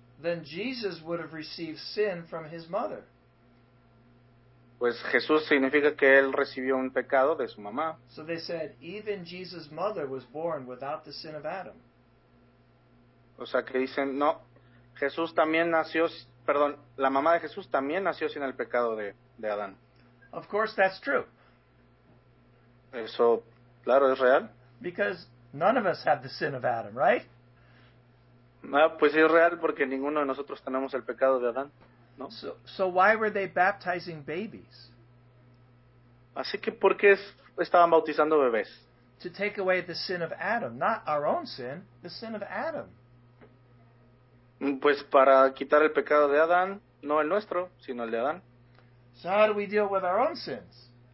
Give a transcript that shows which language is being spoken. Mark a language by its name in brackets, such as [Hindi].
[English] Then Jesus would have received sin from his mother. [Spanish] Pues Jesús significa que él recibió un pecado de su mamá. [English] So they said, even Jesus' mother was born without the sin of Adam. [Spanish] O sea, que dicen, no. Jesús también nació, perdón, la mamá de Jesús también nació sin el pecado de Adán. [English] Of course that's true. [Spanish] Eso, claro, es real. [English] Because none of us have the sin of Adam, right? [Spanish] No, pues es real porque ninguno de nosotros tenemos el pecado de Adán, ¿no? [English] So why were they baptizing babies? [Spanish] Así que ¿por qué estaban bautizando bebés? [English] To take away the sin of Adam, not our own sin, the sin of Adam. [Spanish] Pues para quitar el pecado de Adán, no el nuestro, sino el de Adán. [English] So how do we deal with our own sins?